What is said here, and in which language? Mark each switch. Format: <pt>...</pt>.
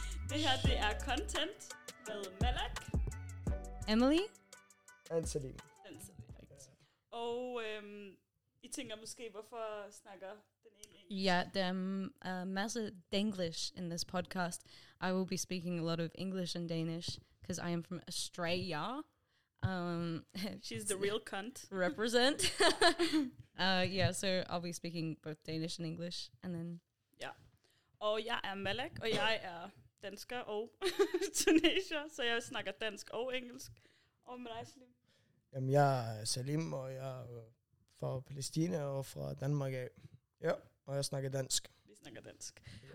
<da>Det her, det er Cuntent med Malek. Emily.</da> <en>And Salim.</en> <da>Og I tænker måske, hvorfor snakker...</da> <en>Yeah, there are massive Denglish in this podcast. I will be speaking a lot of English and Danish because I am from Australia. She's the real cunt. Represent. so I'll be speaking both Danish and English. And then... Yeah.</en> <da>Og jeg er Malek, og jeg er dansker og Tunisia, så jeg snakker dansk og engelsk. Og med dig, Salim. Jamen, jeg er Salim, og jeg er fra Palæstina og fra Danmark af. Ja. Og jeg snakker dansk. Vi snakker dansk. Perfect.</da>